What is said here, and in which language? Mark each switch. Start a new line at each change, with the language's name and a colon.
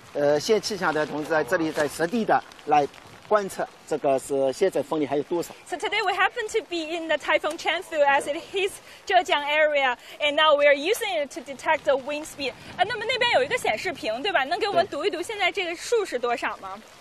Chinese: 那这个还有什么其他的这种功能吗？其他的主要是那个观测功能。观测，那现在主要是在野外是吧？对，我们今天的话正好是台风影响，我们在这里，现气象的同事在这里在实地的来。观测这个是现在风力还有多少？
English: So today we happen to be in the Typhoon Chanthu as it hits Zhejiang area, and now we are using it to detect the wind speed.
Chinese: 那么那边有一个显示屏，对吧？能给我们读一读现在这个数是多少吗？